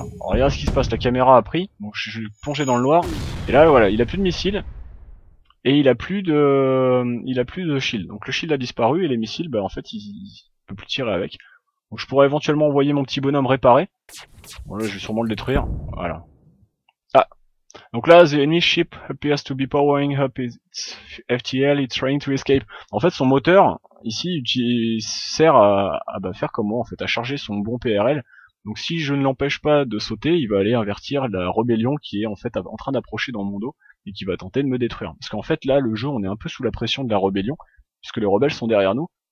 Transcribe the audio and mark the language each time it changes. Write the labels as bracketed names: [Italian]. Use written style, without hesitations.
[French] Alors, regarde ce qui se passe, la caméra a pris. Donc je suis plongé dans le noir. Et là voilà, il a plus de missiles. Et il a plus de shield. Donc le shield a disparu et les missiles, en fait, il peut plus tirer avec. Donc je pourrais éventuellement envoyer mon petit bonhomme réparer. Bon là, je vais sûrement le détruire. Voilà. Donc là, [English] the enemy ship appears to be powering up its FTL, it's trying to escape. [French] En fait, son moteur, ici, il sert à faire comme moi, en fait, à charger son bon PRL. Donc si je ne l'empêche pas de sauter, il va aller avertir la rébellion qui est en fait en train d'approcher dans mon dos et qui va tenter de me détruire. Parce qu'en fait là, le jeu, on est un peu sous la pression de la rébellion, puisque les rebelles sont derrière nous.